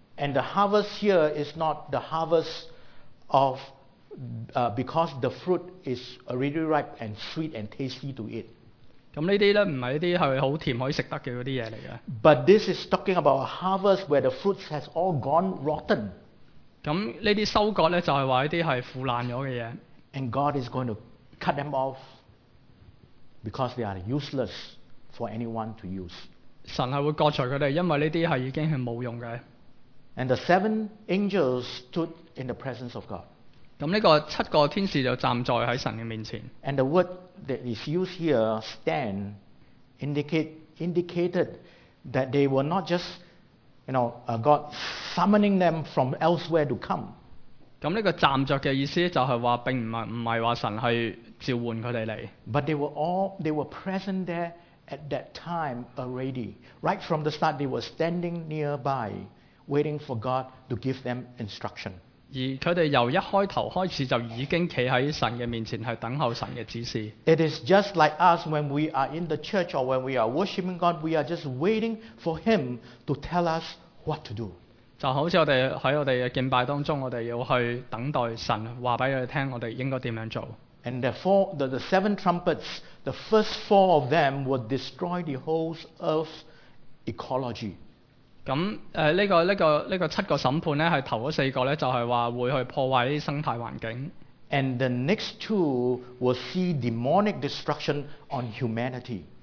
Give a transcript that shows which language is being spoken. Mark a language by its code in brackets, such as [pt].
[en] And the harvest here is not the harvest of because the fruit is already ripe and sweet and tasty to eat. [yue] 咁呢啲咧唔系一啲系好甜可以食得嘅嗰啲嘢嚟嘅。 [en] But this is talking about a harvest where the fruits has all gone rotten. [yue] 咁呢啲收割咧，就係話一啲係腐爛咗嘅嘢。 [en] And God is going to cut them off because they are useless for anyone to use。 [yue] 神係會割除佢哋，因為呢啲係已經係冇用嘅。 [en] And the seven angels stood in the presence of God。 [yue] 咁呢個七個天使就站在喺神嘅面前。 [en] And the word that is used here, stand, indicated that they were not just, you know, God. Summoning them from elsewhere to come. [yue] 咁呢个站着嘅意思就系话，并唔系话神去召唤佢哋嚟。 [en] But they were present there at that time already. Right from the start, they were standing nearby, waiting for God to give them instruction. [yue] 而佢哋由一开头开始就已经企喺神嘅面前，系等候神嘅指示。 [en] It is just like us when we are in the church or when we are worshiping God. We are just waiting for Him to tell us what to do. [yue] 就好似我哋喺我哋嘅敬拜当中，我哋要去等待神话俾我哋听，我哋应该点样做。 [en] And the seven trumpets, the first four of them would destroy the whole earth's ecology. [yue] 咁呢个七个审判咧，系头嗰四个咧，就系话会去破坏啲生态环境。 [en] And the next two will see demonic destruction on humanity.